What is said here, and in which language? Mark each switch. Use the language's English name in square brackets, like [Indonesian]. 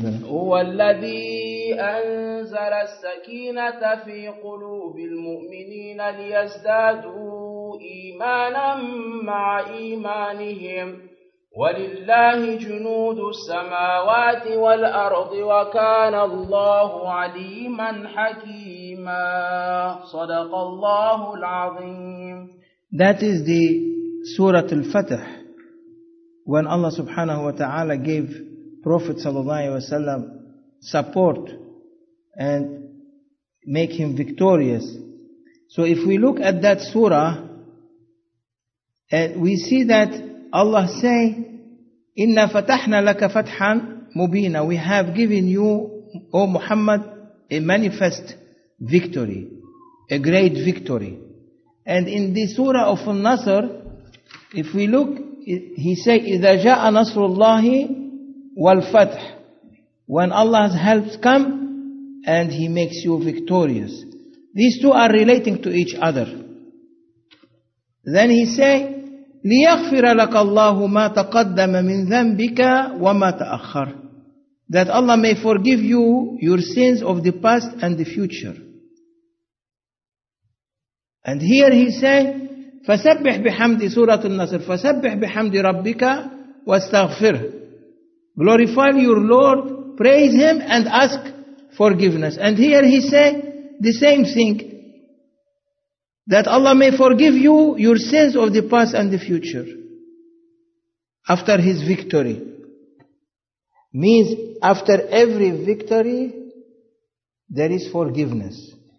[Arabic] هو الذي أنزل السكينة في قلوب المؤمنين ليزدادوا إيمانا مع إيمانهم ولله جنود السماوات والأرض وكان الله عليما حكيما. صدق الله العظيم. [English] That is the Surah Al-Fatih when Allah subhanahu wa ta'ala gave Prophet sallallahu alayhi wa sallam support and make him victorious. So if we look at that surah, we see that Allah say, [Arabic] Inna fatahna laka fathan mubina, [English] we have given you, O Muhammad, a manifest victory. a great victory. And in the surah of Al-Nasr, if we look, he say, [Arabic] إِذَا جَاءَ نَصْرُ اللَّهِ وَالْفَتْحِ. [English] When Allah's help come, and He makes you victorious. These two are relating to each other. Then he say, [Arabic] لِيَغْفِرَ لَكَ اللَّهُ مَا تَقَدَّمَ مِنْ ذَنْبِكَ وَمَا تَأَخَّرَ. [English] That Allah may forgive you your sins of the past and the future. And here he say, [Arabic] فَسَبِّحْ بِحَمْدِ سُورَةُ النَّصْرِ فَسَبِّحْ بِحَمْدِ رَبِّكَ وَاسْتَغْفِرْهُ. [English] Glorify your Lord, praise Him and ask forgiveness. And here he say the same thing, that Allah may forgive you your sins of the past and the future. After His victory. Means after every victory, there is forgiveness.